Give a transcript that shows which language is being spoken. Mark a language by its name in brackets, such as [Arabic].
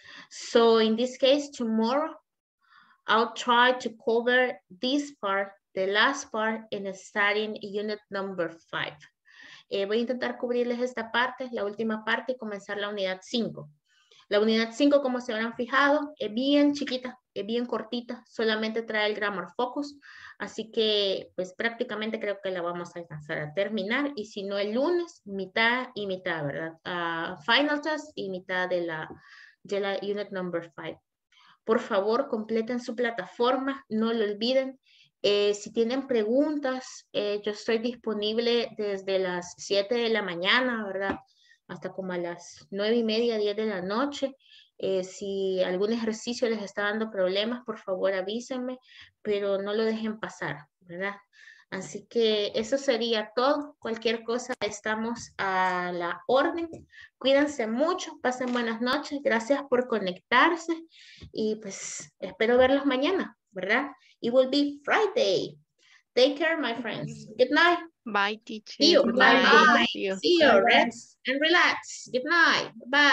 [English] So in this case, tomorrow, I'll try to cover this part, the last part, in studying unit number 5. [Spanish] Voy a intentar cubrirles esta parte, la última parte, y comenzar la unidad 5. La unidad 5, como se habrán fijado, es bien chiquita, es bien cortita, solamente trae el grammar focus. Así que, pues prácticamente creo que la vamos a alcanzar a terminar. Y si no, el lunes, mitad y mitad, ¿verdad? [English] Final test [Spanish] y mitad de la [English] unit number 5. [Spanish] Por favor, completen su plataforma, no lo olviden. Si tienen preguntas, yo estoy disponible desde las 7 de la mañana, ¿verdad? Hasta como a las 9 y media, 10 de la noche. Si algún ejercicio les está dando problemas, por favor avísenme, pero no lo dejen pasar, ¿verdad? Así que eso sería todo. Cualquier cosa, estamos a la orden. Cuídense mucho, pasen buenas noches. Gracias por conectarse y pues espero verlos mañana, ¿verdad? [English] It will be Friday. Take care, my friends. Good night. Bye, teacher. See you. Bye. Bye. Bye. See you. Rest and relax. Good night. Bye.